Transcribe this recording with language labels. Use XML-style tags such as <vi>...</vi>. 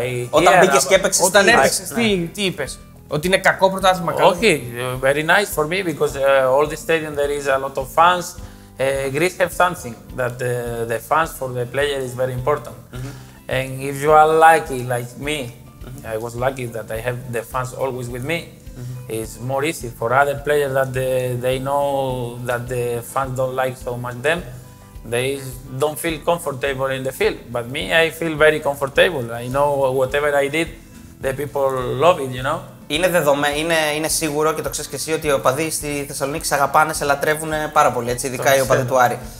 <el>Όταν μπήκες και έπαιξες, όταν έπαιξες, τι είπες, ότι είναι κακό πρωτάθλημα?</el> <en>Όχι, very nice for me, because all the stadium there is a lot of fans. Greece have something, that the fans for the player is very important. And if you are lucky, like me, I was lucky that I have the fans always with me. It's more easy for other players that they know that the fans don't like so much them. They don't feel comfortable in the field. But me, I feel very comfortable. I know whatever I did, the people love it, you know.</en> <el>Είναι δεδομένο, είναι σίγουρο και το ξέρεις και εσύ ότι οι οπαδοί στη Θεσσαλονίκη σε αγαπάνε, σε λατρεύουν πάρα πολύ, έτσι, ειδικά οι οπαδοί του Άρη.</el>